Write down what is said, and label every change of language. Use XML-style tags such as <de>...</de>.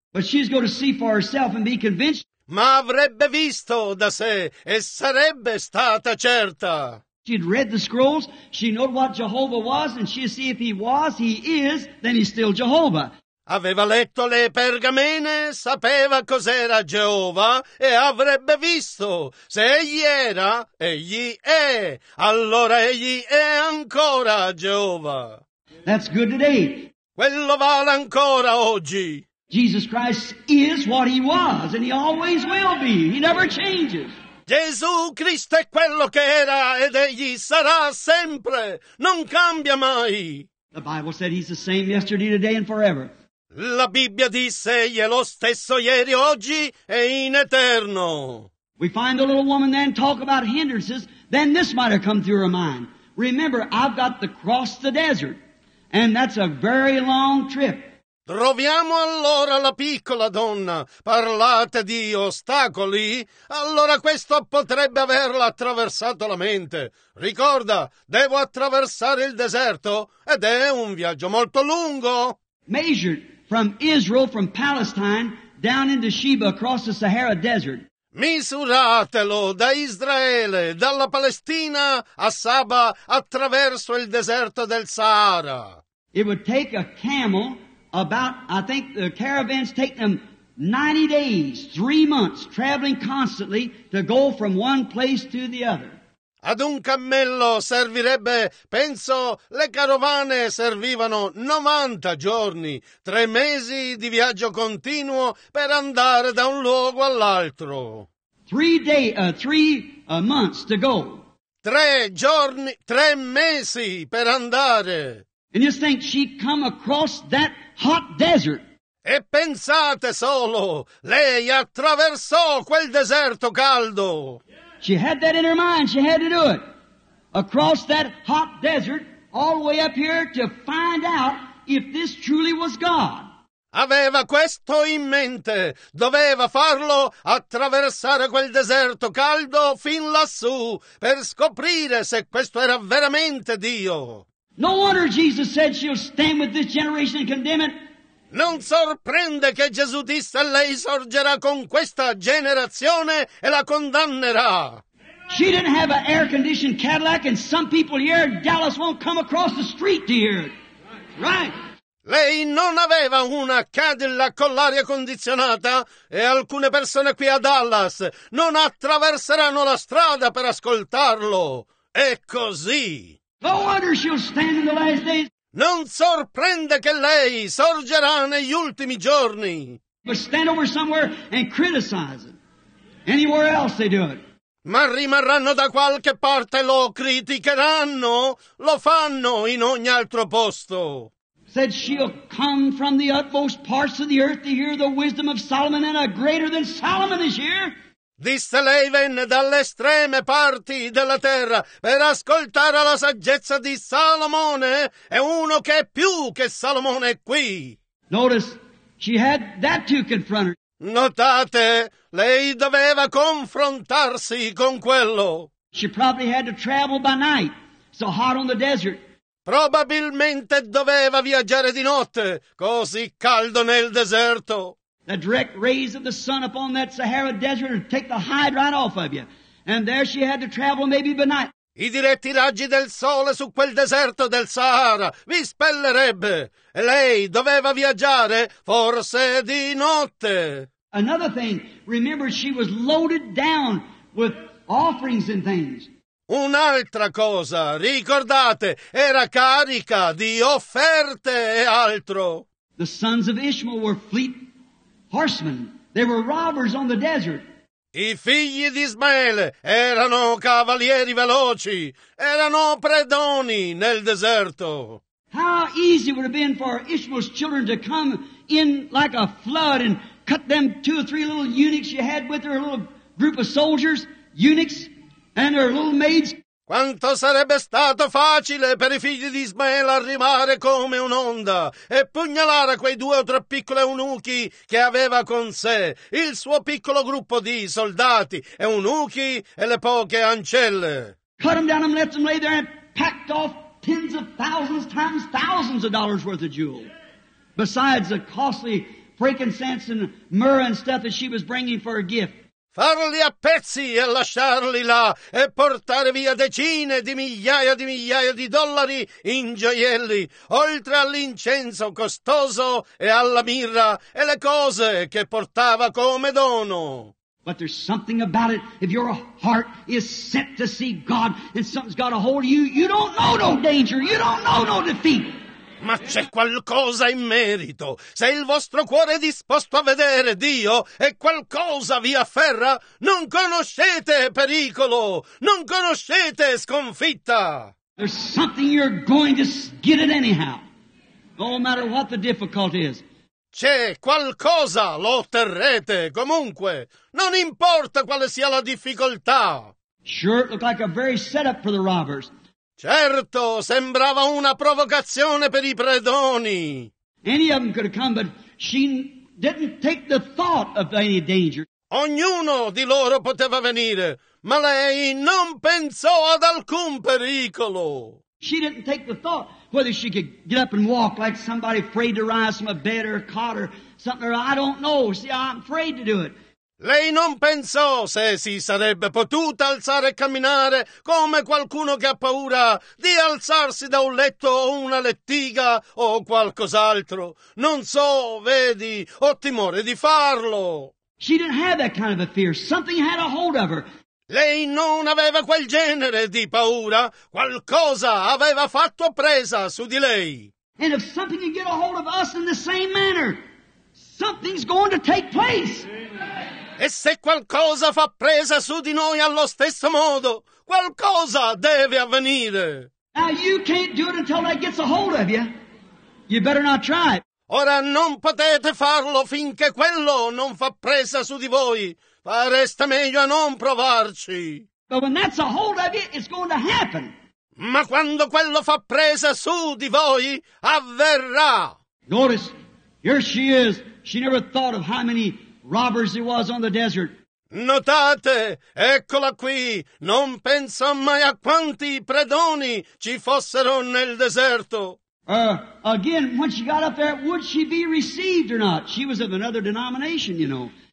<en>But she's going to see for herself and be convinced.</en> <it>Ma avrebbe visto da sé e sarebbe stata certa.</it> <en>She'd read the scrolls, she knew what Jehovah was, and she'd see if he was, he is, then he's still Jehovah.</en> <it>Aveva letto le pergamene, sapeva cos'era Geova e avrebbe visto. Se egli era, egli è. Allora egli è ancora Geova.</it> <en>That's good today.</en> <it>Quello vale ancora oggi.</it> <en>Jesus Christ is what he was and he always will be. He never changes.</en> <it>Gesù Cristo è quello che era ed egli sarà sempre. Non cambia mai.</it> <en>The Bible said he's the same yesterday, today and forever.</en> <it>La Bibbia disse egli è lo stesso ieri, oggi e in eterno.</it> <en>We find the little woman then talk about hindrances. Then this might have come through her mind. Remember, I've got to cross the desert. And that's a very long trip.</en> <it>Troviamo allora la piccola donna. Parlate di ostacoli. Allora questo potrebbe averla attraversato la mente. Ricorda, devo attraversare il deserto ed è un viaggio molto lungo.</it> <en>Measured from Israel, from Palestine, down into Sheba, across the Sahara Desert.</en> <it>Misuratelo da Israele, dalla Palestina a Saba, attraverso il deserto del Sahara.</it> <en>It would take a camel about, I think the caravans take them 90 days, 3 months, traveling constantly to go from one place to the other.</en> <it>Ad un cammello servirebbe, penso, le carovane servivano 90 giorni, 3 mesi di viaggio continuo per andare da un luogo all'altro.</it> <en>3 months to go.</en> <it>3 giorni, 3 mesi per andare.</it> <en>And you think she come across that hot desert.</en> <it>E pensate solo, lei attraversò quel deserto caldo.</it> <en>She had that in her mind, she had to do it. Across that hot desert, all the way up here to find out if this truly was God.</en> <it>Aveva questo in mente, doveva farlo attraversare quel deserto caldo fin lassù per scoprire se questo era veramente Dio.</it> <en>No wonder Jesus said she'll stand with this generation and condemn it.</en> <it>Non sorprende che Gesù disse lei sorgerà con questa generazione e la condannerà.</it> <en>She didn't have an air-conditioned Cadillac and some people here in Dallas won't come across the street to hear it. Right.</en> <it>Lei non aveva una Cadillac con l'aria condizionata e alcune persone qui a Dallas non attraverseranno la strada per ascoltarlo. È così.</it> <en>No wonder she'll stand in the last days.</en> <it>Non sorprende che lei sorgerà negli ultimi giorni.</it> <en>Stand over somewhere and criticize it. Anywhere else they do it.</en> <it>Ma rimarranno da qualche parte, lo criticheranno, lo fanno in ogni altro posto.</it> <en>Said she'll come from the utmost parts of the earth to hear the wisdom of Solomon, and a greater than Solomon is here.</en> <it>Disse lei venne dalle estreme parti della terra per ascoltare la saggezza di Salomone, è uno che è più che Salomone qui.</it> <en>Notice, she had that to confront her.</en> <it>Notate, lei doveva confrontarsi con quello.</it> <en>She probably had to travel by night, so hot on the desert.</en> <it>Probabilmente doveva viaggiare di notte, così caldo nel deserto.</it> <en>The direct rays of the sun upon that Sahara desert would take the hide right off of you. And there she had to travel maybe by night.</en> <it>I diretti raggi del sole su quel deserto del Sahara vi spellerebbe. E lei doveva viaggiare forse di notte.</it> <en>Another thing, remember she was loaded down with offerings and things.</en> <it>Un'altra cosa, ricordate, era carica di offerte e altro.</it> <en>The sons of Ishmael were fleet horsemen, they were robbers on the desert.</en> <it>I figli di Ismaele erano cavalieri veloci, erano predoni nel deserto.</it> <en>How easy would it have been for Ishmael's children to come in like a flood and cut them two or three little eunuchs you had with her, a little group of soldiers, eunuchs, and her little maids.</en> <it>Quanto sarebbe stato facile per i figli di Ismaele arrivare come un'onda e pugnalare quei due o tre piccoli eunuchi che aveva con sé, il suo piccolo gruppo di soldati, eunuchi e le poche ancelle.</it> <en>Cut them down and let them lay there and packed off tens of thousands times thousands of dollars worth of jewels. Besides the costly frankincense and myrrh and stuff that she was bringing for her gift.</en> <it>Farli a pezzi e lasciarli là e portare via decine di migliaia di dollari in gioielli, oltre all'incenso costoso e alla mirra e le cose che portava come dono.</it> <en>But there's something about it, if your heart is set to see God and something's got a hold of you, you don't know no danger, you don't know no defeat.</en> <it>Ma c'è qualcosa in merito. Se il vostro cuore è disposto a vedere Dio e qualcosa vi afferra, non conoscete pericolo, non conoscete sconfitta.</it> <en>There's something you're going to get it anyhow, no matter what the difficulty is.</en> <it>C'è qualcosa, lo otterrete comunque, non importa quale sia la difficoltà.</it> <en>Sure, it looked like a very setup for the robbers.</en> <it>Certo, sembrava una provocazione per i predoni.</it> <en>Any of them could have come, but she didn't take the thought of any danger.</en> <it>Ognuno di loro poteva venire, ma lei non pensò ad alcun pericolo.</it> <en>She didn't take the thought whether she could get up and walk like somebody afraid to rise from a bed or a cot or something. I don't know. See, I'm afraid to do it.</en> <it>Lei non pensò se si sarebbe potuta alzare e camminare come qualcuno che ha paura di alzarsi da un letto o una lettiga o qualcos'altro. Non so, vedi, ho timore di farlo.</it> <en>She didn't have that kind of a fear. Something had a hold of her.</en> <it>Lei non aveva quel genere di paura. Qualcosa aveva fatto presa su di lei.</it> <en>And if something can get a hold of us in the same manner, something's going to take place.</en> <it>E se qualcosa fa presa su di noi allo stesso modo, qualcosa deve avvenire.</it> <en>Now you can't do it until that gets a hold of you. You better not try it.</en> <it>Ora non potete farlo finché quello non fa presa su di voi. Fareste meglio a non provarci.</it> <en>But when that's a hold of you, it's going to happen.</en> <it>Ma quando quello fa presa su di voi, avverrà.</it> <en>Notice, here she is. She never thought of how many robbers it was on the desert.</en> <it>Notate, eccola qui. Non pensa mai a quanti predoni ci fossero nel deserto.</it> <en>Again, when she got up there, would she be received or not? She was of another denomination, you know.</en>